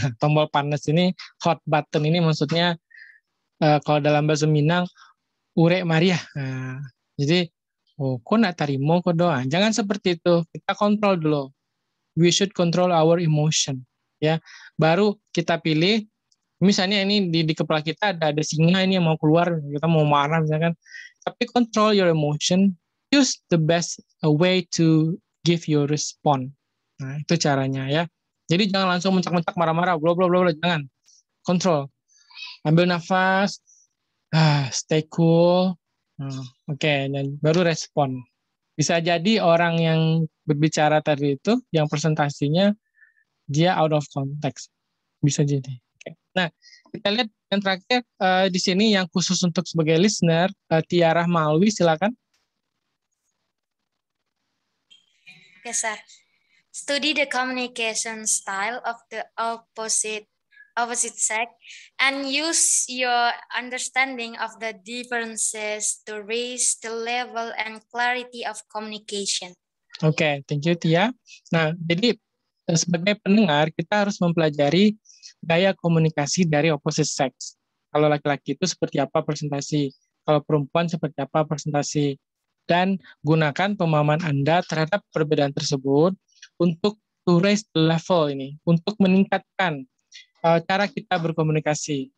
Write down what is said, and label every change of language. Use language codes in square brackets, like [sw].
[id] Tombol panas ini, [en] hot button [id] ini maksudnya, kalau dalam bahasa Minang, [min] ure mariah. [id] Jadi, oh, [min] kok nak tarimo, kok doa. [id] Jangan seperti itu, kita kontrol dulu. [en] We should control our emotion. Ya. [id] Baru kita pilih, misalnya ini di kepala kita ada singa ini yang mau keluar, kita mau marah misalkan. Tapi [en] control your emotion, use the best way to give your response. [id] Nah, itu caranya ya. Jadi jangan langsung mencak-mencak marah-marah, blablabla, jangan. [en] Control. [id] Ambil nafas, [en] stay cool, [id] dan baru respon. Bisa jadi orang yang berbicara tadi itu, yang presentasinya, dia [en] out of context. [id] Bisa jadi. Nah, kita lihat yang terakhir di sini yang khusus untuk sebagai listener, Tiara Malwi, silakan. [en] Yes, sir. Study the communication style of the opposite sex and use your understanding of the differences to raise the level and clarity of communication. Okay, thank you, Tia. [id] Nah, jadi sebagai pendengar, kita harus mempelajari gaya komunikasi dari [en] opposite sex. [id] Kalau laki-laki itu seperti apa presentasi, kalau perempuan seperti apa presentasi, dan gunakan pemahaman Anda terhadap perbedaan tersebut untuk [en] to raise the level [id] ini, untuk meningkatkan cara kita berkomunikasi.